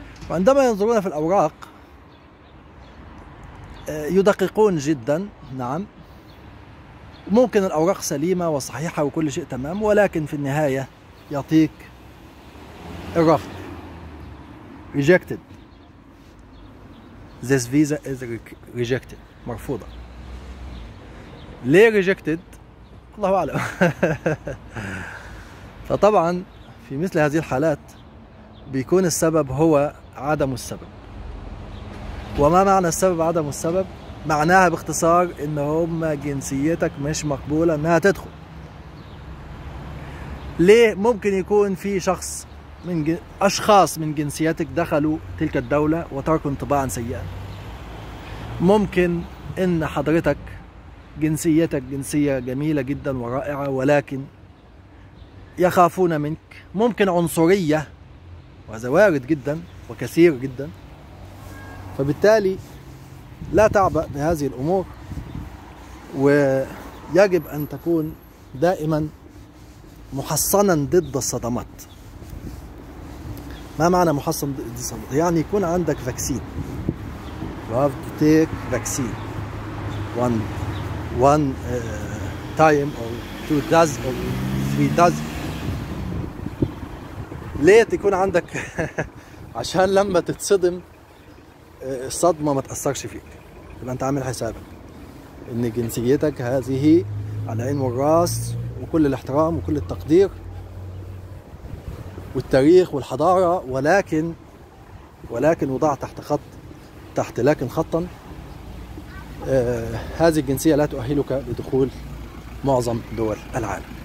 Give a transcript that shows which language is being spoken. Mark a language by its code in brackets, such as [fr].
[ar] وعندما ينظرون في الأوراق يدققون جدا. نعم، ممكن الأوراق سليمة وصحيحة وكل شيء تمام، ولكن في النهاية يعطيك الرفض، rejected. [en] This visa is rejected، مرفوضة. [ar] ليه rejected؟ الله أعلم. فطبعا في مثل هذه الحالات بيكون السبب هو عدم السبب. وما معنى السبب عدم السبب؟ معناها باختصار ان هم جنسيتك مش مقبولة انها تدخل. ليه؟ ممكن يكون في شخص من اشخاص من جنسيتك دخلوا تلك الدولة وتركوا انطباعا سيئا. ممكن ان حضرتك جنسيتك جنسية جميلة جدا ورائعة، ولكن يخافون منك. ممكن عنصرية، وهذا وارد جدا وكثير جدا. فبالتالي لا تعبأ بهذه الأمور، ويجب أن تكون دائما محصنا ضد الصدمات. ما معنى محصن ضد الصدمات؟ يعني يكون عندك فاكسين. [en] You have to take vaccine one time or two dozen or three dozen. [ar] ليه تكون عندك؟ عشان لما تتصدم الصدمة ما تأثرش فيك. يبقى انت عامل حسابك ان جنسيتك هذه على عين والراس، وكل الاحترام وكل التقدير والتاريخ والحضارة، ولكن وضع تحت لكن خطا، هذه الجنسية لا تؤهلك لدخول معظم دول العالم.